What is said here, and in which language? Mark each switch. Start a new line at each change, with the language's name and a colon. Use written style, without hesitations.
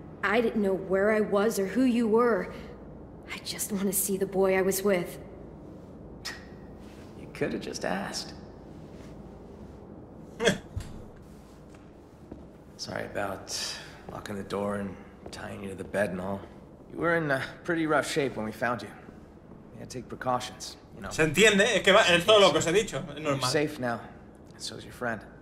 English: I didn't know where I was or who you were. I just want to see the boy I was with. You could have just asked. Sorry about locking the door and tying you to the bed and all. You were in pretty rough shape when we found you. We had to take precautions, you know.
Spanish: Se entiende, es que va, es todo lo que os he dicho, es normal.
English: You're safe now, and so is your friend.